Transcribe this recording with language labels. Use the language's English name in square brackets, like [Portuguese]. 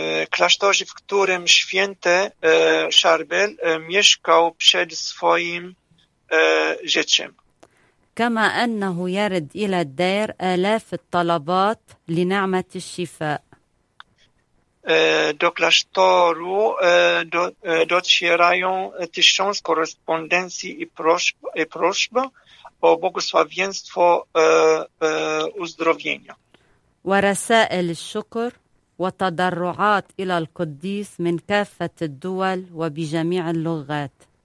[Polish] Klasztorze, w którym święty Szarbel mieszkał przed swoim życiem. [Arabic] كما أنه يرد إلى الدير آلاف الطلبات لنعمة الشفاء. [Polish] Do klasztoru docierają tysiące korespondencji i prośb o błogosławieństwo uzdrowienia. [Arabic] ورسائل الشكر وتضرعات إلى القديس من كافة الدول وبجميع اللغات.